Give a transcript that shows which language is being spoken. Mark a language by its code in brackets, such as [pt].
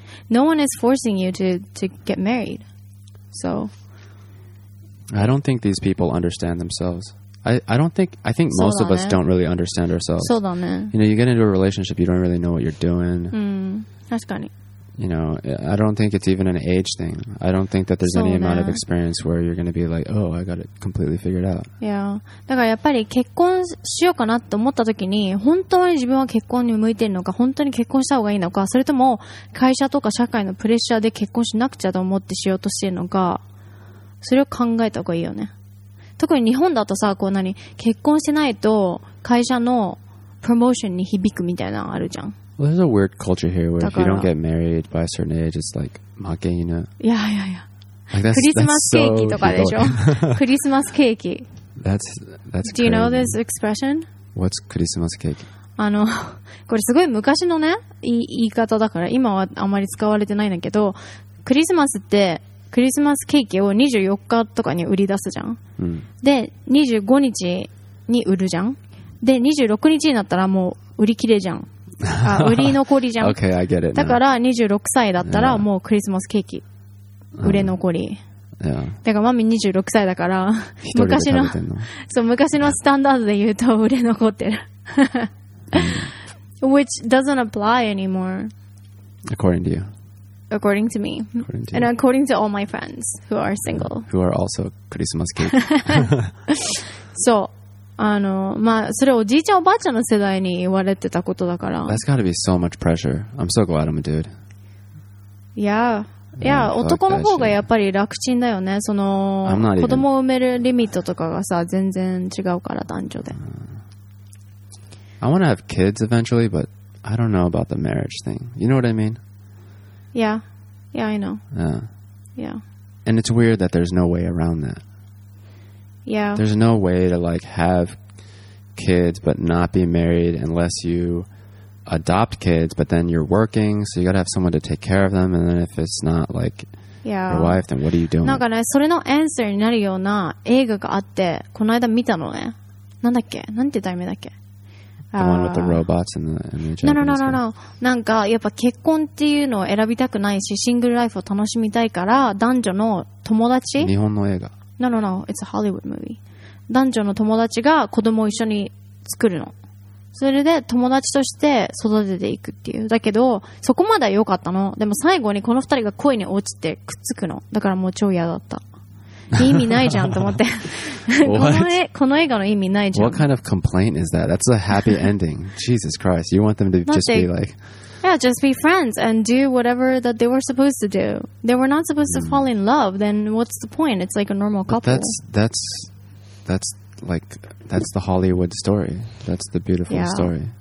[en] No one is forcing you to get married. So, I don't think these people understand themselves. I think most of us don't really understand ourselves. [ja] そうだね。 [en] You know, you get into a relationship, you don't really know what you're doing. [ja] 確かに。 [en] You know, I don't think it's even an age thing. I don't think that there's any amount of experience where you're going to be like, oh, I got it completely figured out. Yeah. [ja] だからやっぱり結婚しようかなと思った時に、本当に自分は結婚に向いてるのか、本当に結婚した方がいいのか、それとも会社とか社会のプレッシャーで結婚しなくちゃと思ってしようとしてるのか、それを考えた方がいいよね。特に日本だとさ、こう何、結婚してないと会社のプロモーションに響くみたいなのあるじゃん。 [en] Well, there's a weird culture here where if you don't get married by a certain age, it's like make, you know? Yeah, yeah, yeah. Like, that's Christmas that's cake [ja] とかでしょ?Christmas cake. [en] That's crazy. Do you know this expression? What's Christmas cake? [ja] あの、これすごい昔のね、言い方だから今はあまり使われてないんだけど、クリスマスってクリスマスケーキを24日とかに売り出すじゃん。で、25日に売るじゃん。で、26日になったらもう売り切れじゃん。あ、売り残りじゃん。 [en] Okay, I get it now. [ja] だから26歳だったらもうクリスマスケーキ売れ残り。だからマミ26歳だから昔のそう昔のスタンダードで言うと売れ残ってる。 [en] Which doesn't apply anymore. According to you. According to me. According to and according to all my friends who are single. Yeah. Who are also Christmas cake. [ja] So, あのまあそれおじいちゃんおばあちゃんの世代に言われてたことだから。 [en] That's got to be so much pressure. I'm so glad I'm a dude. Yeah. [ja] いや、男の方がやっぱり楽ちんだよね。その子供を産めるリミットとかがさ、全然違うから男女で。 [en] I want to have kids eventually, but I don't know about the marriage thing. You know what I mean? Yeah, yeah, I know. Yeah. Yeah. And it's weird that there's no way around that. Yeah. There's no way to like have kids but not be married unless you. Adopt kids, but then you're working, so you gotta have someone to take care of them. And then if it's not like yeah. your wife, then what are you doing? [ja] なんかね、それのアンサーになるような映画があって、この間見たのね。なんだっけ、なんて題名だっけ。 [en] The one with the robots and the no, no, no, no, no. [ja] なんかやっぱ結婚っていうのを選びたくないし、シングルライフを楽しみたいから、男女の友達。日本の映画。 [en] No, no, no. It's a Hollywood movie. [ja] 男女の友達が子供を一緒に作るの。それで友達として育てていくっていう。だけどそこまでは良かったの。でも最後にこの二人が恋に落ちてくっつくの。だからもう超嫌だった。意味ないじゃんと思って。この映画の意味ないじゃん。 [en] What kind of complaint is that? That's a happy ending. Jesus Christ. You want them to just be like... Yeah, just be friends and do whatever that they were supposed to do. They were not supposed to fall in love. Then what's the point? It's like a normal couple. But that's like... That's the Hollywood story. That's the beautiful yeah, story.